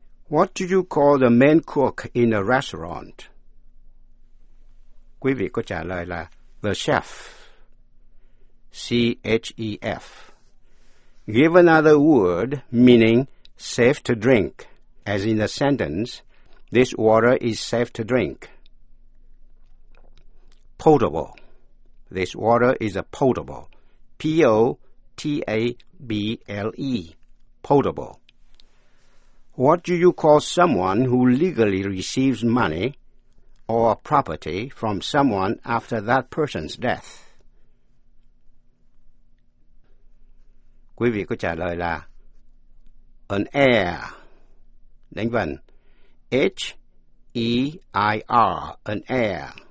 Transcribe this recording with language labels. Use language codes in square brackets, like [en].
[en] What do you call the main cook in a restaurant? [vi] Quý vị có trả lời là [en] the chef. C-H-E-F. Give another word meaning safe to drink, as in the sentence, this water is safe to drink. Potable. This water is a potable. P-O-T-A-B-L-E. Potable. What do you call someone who legally receives money or property from someone after that person's death? [vi] Quý vị có trả lời là [en] an heir, [vi] đánh vần [en] H-E-I-R, an heir.